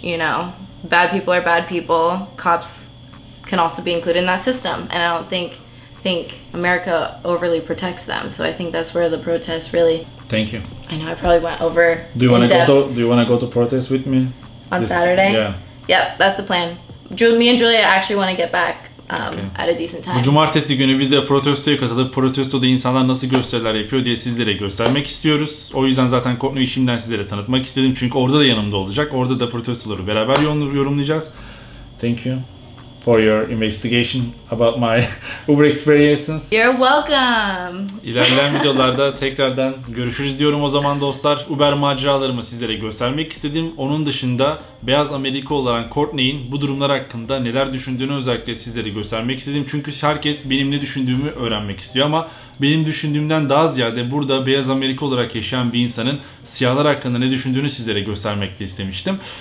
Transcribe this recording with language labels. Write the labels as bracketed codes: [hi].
[en] You know, bad people are bad people. Cops can also be included in that system, and I don't think America overly protects them. So I think that's where the protests really. Thank you. I know I probably went over. Do you want to go to protest with me on Saturday? Yeah. Yep, that's the plan. Me and Julia actually want to get back. At a decent time. [tr] Bu cumartesi günü biz de protestoya katılıp protestoda insanlar nasıl gösteriler yapıyor diye sizlere göstermek istiyoruz. O yüzden zaten Cortney'i şimdiden sizlere tanıtmak istedim. Çünkü orada da yanımda olacak. Orada da protestoları beraber yorumlayacağız. [en] Thank you for your investigation about my Uber experiences. You're welcome. [tr] İlerleyen videolarda tekrardan görüşürüz diyorum o zaman dostlar. Uber maceralarımı sizlere göstermek istedim. Onun dışında beyaz Amerika olan Cortney'in bu durumlar hakkında neler düşündüğünü özellikle sizlere göstermek istedim. Çünkü herkes benim ne düşündüğümü öğrenmek istiyor ama benim düşündüğümden daha ziyade burada beyaz Amerika olarak yaşayan bir insanın siyahlar hakkında ne düşündüğünü sizlere göstermek de istemiştim.